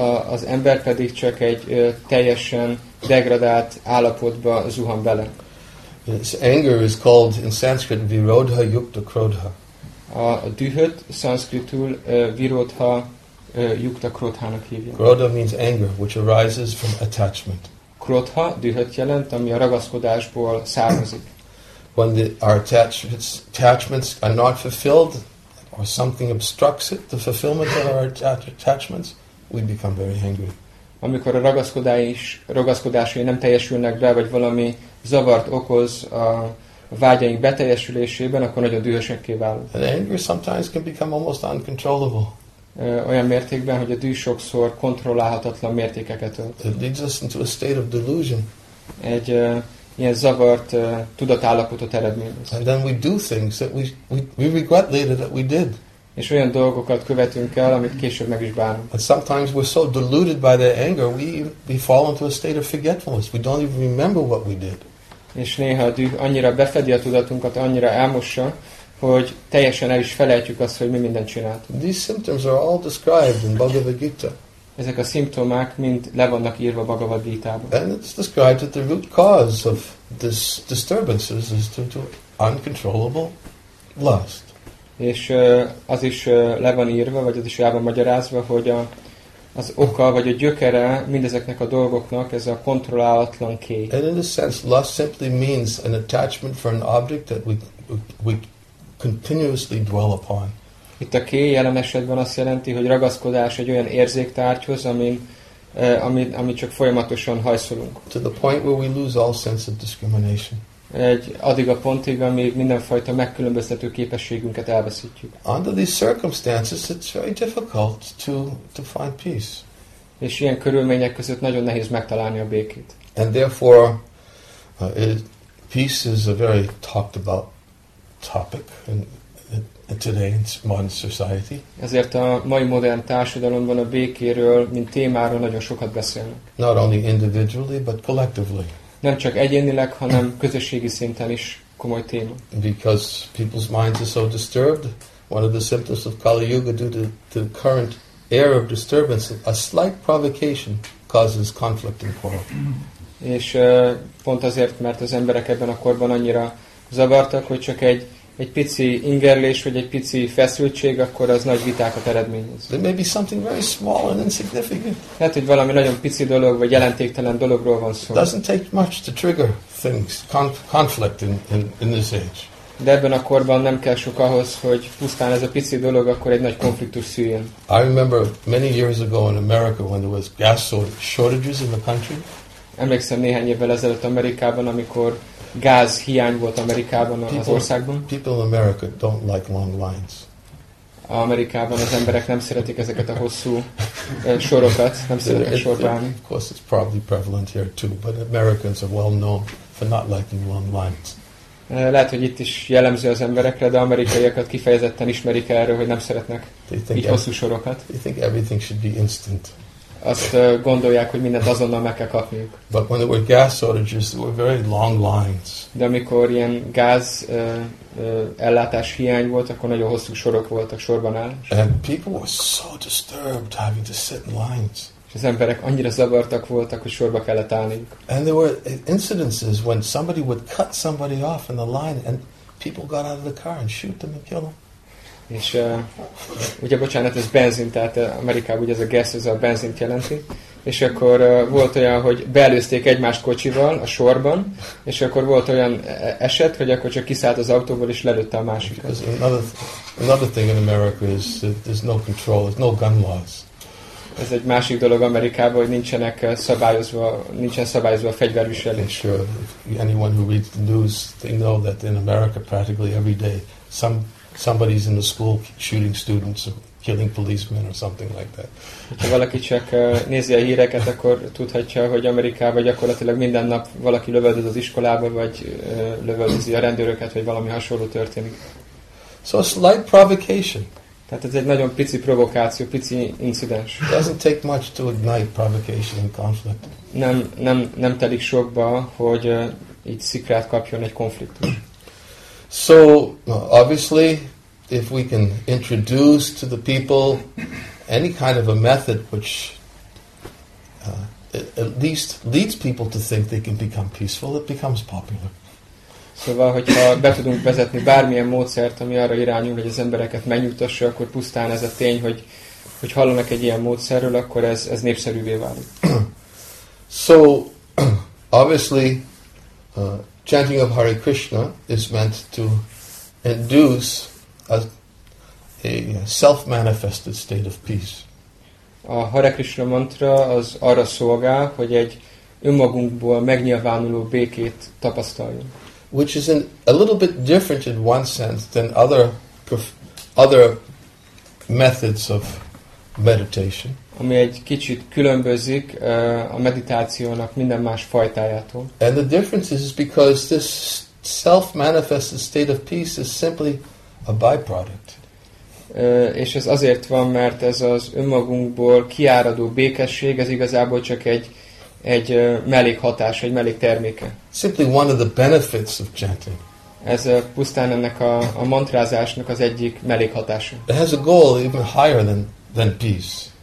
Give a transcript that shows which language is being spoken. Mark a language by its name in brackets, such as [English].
[Hungarian] Az ember pedig csak egy teljesen degradált állapotba zuhan bele. [English] This anger is called in Sanskrit virodha yukta krodha. [Hungarian] A dühöt szanszkritul virodha yukta krodhának hívják. [English] Krodha means anger, which arises from attachment. [Hungarian] Krodha dühöt jelent, ami a ragaszkodásból származik. [English] When our attachments are not fulfilled, or something obstructs it, the fulfillment of our attachments, we become very angry. [Hungarian] Amikor a ragaszkodásai nem teljesülnek be, vagy valami zavart okoz a vágyaink beteljesülésében, akkor nagyon dühösekké válunk. [English] And anger sometimes can become almost uncontrollable. [Hungarian] Olyan mértékben, hogy a düh sokszor kontrollálhatatlan mértékeket ölt. [English] It leads us into a state of delusion. [Hungarian] Egy ilyen zavart tudatállapotot eredményez. [English] And then we do things that we regret later that we did. [Hungarian] És olyan dolgokat követünk el, amit később meg is bánunk. [English] And sometimes we're so deluded by the anger, we fall into a state of forgetfulness. We don't even remember what we did. [Hungarian] És néha a düh annyira befedi a tudatunkat, annyira elmossa, hogy teljesen el is felejtjük azt, hogy mi mindent csináltunk. [English] These symptoms are all described in Bhagavad Gita. [Hungarian] Ezek a szimptomák mind le vannak írva Bhagavad Gita-ban. [English] And it's described that the root cause of this disturbances is due to uncontrollable lust. [Hungarian] És az is le van írva, vagy az is el van magyarázva, hogy az oka, vagy a gyökere mindezeknek a dolgoknak ez a kontrollálatlan kéj. [English] And in a sense, lust simply means an attachment for an object that we continuously dwell upon. [Hungarian] Itt a kéj jelen esetben azt jelenti, hogy ragaszkodás egy olyan érzéktárgyhoz, ami csak folyamatosan hajszolunk. [English] To the point where we lose all sense of discrimination. [Hungarian] Egy addig a pontig, amíg mindenfajta megkülönböztető képességünket elveszítjük. [English] Under these circumstances, it's very difficult to find peace. [Hungarian] És ilyen körülmények között nagyon nehéz megtalálni a békét. [English] And therefore, peace is a very talked about topic in today's modern society. [Hungarian] Ezért a mai modern társadalomban a békéről, mint témáról nagyon sokat beszélnek. [English] Not only individually, but collectively. [Hungarian] Nem csak egyénileg, hanem közösségi szinten is komoly téma. [English] Because people's minds are so disturbed, one of the symptoms of Kali Yuga due to the current air of disturbance, a slight provocation causes conflict and quarrel. [Hungarian] És pont azért, mert az emberek ebben a korban annyira zavartak, hogy csak egy pici ingerlés, vagy egy pici feszültség, akkor az nagy vitákat eredményez. [English] There may be something very small and insignificant. [Hungarian] Lehet, hogy valami nagyon pici dolog, vagy jelentéktelen dologról van szó. [English] Doesn't take much to trigger things, conflict in this age. [Hungarian] De ebben a korban nem kell sok ahhoz, hogy pusztán ez a pici dolog, akkor egy nagy konfliktus szüljön. [English] I remember many years ago in America when there was gas shortages in the country. [Hungarian] Emlékszem néhány évvel ezelőtt Amerikában, amikor gáz hiány volt Amerikában, az országban. [English] People in America don't like long lines. [Hungarian] Amerikában az emberek nem szeretik ezeket a hosszú sorokat, nem szeretik sorban. [English] Of course, it's probably prevalent here too, but Americans are well known for not liking long lines. [Hungarian] Lehet, hogy itt is jellemző az emberekre, de amerikaiakat kifejezetten ismerik erről, hogy nem szeretnek így hosszú sorokat. [English] They think everything should be instant. [Hungarian] Azt gondolják, hogy mindent azonnal meg kell kapniuk. [English] But when there were gas shortages, there were very long lines. [Hungarian] De amikor ilyen gáz ellátás hiány volt, akkor nagyon hosszú sorok voltak sorban állás. [English] And people were so disturbed having to sit in lines. [Hungarian] És az emberek annyira zavartak voltak, hogy sorba kellett állniuk. [English] And there were incidences when somebody would cut somebody off in the line and people got out of the car and shoot them and kill them. [Hungarian] És ugye bocsánat, ez benzin, tehát Amerikában ugye ez a gas, ez a benzint jelenti. És akkor volt olyan, hogy beelőzték egymást kocsival a sorban, és akkor volt olyan eset, hogy akkor csak kiszállt az autóból és lelőtte a másikat. [English] Another thing in America is there's no control, there's no gun laws. [Hungarian] ez egy másik dolog Amerikában, hogy nincsenek szabályozva, nincsen szabályozva a fegyverviselés. [English] Sure, anyone who reads the news, they know that in America practically every day somebody's in the school shooting students or killing policemen or something like that. [Hungarian] Ha valaki csak nézi a híreket, akkor tudhatja, hogy Amerikában gyakorlatilag minden nap valaki lövöldöz az iskolába, vagy lövöldözi a rendőröket, vagy valami hasonló történik. [English] So a slight provocation. [Hungarian] Tehát ez egy nagyon pici provokáció, pici incidens. [English] It doesn't take much to ignite provocation and conflict. [Hungarian] Nem telik sokba, hogy így szikrát kapjon egy konfliktus. [English] So obviously, if we can introduce to the people any kind of a method which at least leads people to think they can become peaceful, it becomes popular. [Hungarian] Szóval, hogyha be tudunk vezetni bármilyen módszert, ami arra irányul, hogy az embereket megnyugtassa, akkor pusztán ez a tény, hogy hallanak egy ilyen módszerről, akkor ez népszerűvé válik. [English] So, obviously, chanting of Hare Krishna is meant to induce a self-manifested state of peace. [Hungarian] A Hare Krishna mantra az arra szolgál, hogy egy önmagunkból megnyilvánuló békét tapasztaljunk. [English] Which is a little bit different in one sense than other methods of meditation. [Hungarian] Ami egy kicsit különbözik a meditációnak minden más fajtájától. [English] And the difference is because this self-manifested state of peace is simply a byproduct. [Hungarian] És ez azért van, mert ez az önmagunkból kiáradó békesség, ez igazából csak egy mellékhatás, egy mellékterméke. [English] Simply one of the benefits of chanting. [Hungarian] Ez pusztán ennek a mantrázásnak az egyik mellékhatása. [English] It has a goal even higher than peace.